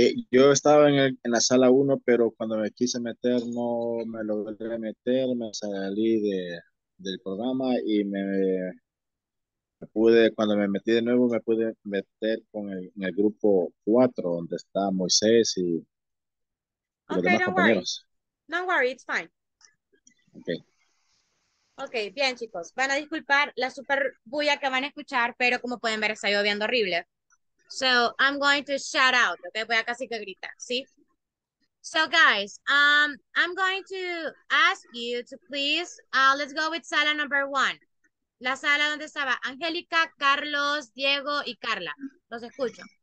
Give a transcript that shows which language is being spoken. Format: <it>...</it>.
<es>Yo estaba en la sala 1, pero cuando me quise meter, no me logré meter, me salí del programa y me pude, cuando me metí de nuevo, me pude meter con en el grupo 4, donde está Moisés y los</es> <en>Okay, don't worry.</en> <es>compañeros.</es> <en>Don't worry, it's fine. Okay.</en> <es>Okay, bien, chicos. Van a disculpar la super bulla que van a escuchar, pero como pueden ver, está lloviendo horrible.</es> <en>So, I'm going to shout out, okay?</en> <es>Voy a casi que gritar, ¿sí?</es> <en>So, guys, I'm going to ask you to please, let's go with sala number one.</en> <es>La sala donde estaba Angélica, Carlos, Diego y Carla. Los escucho.</es>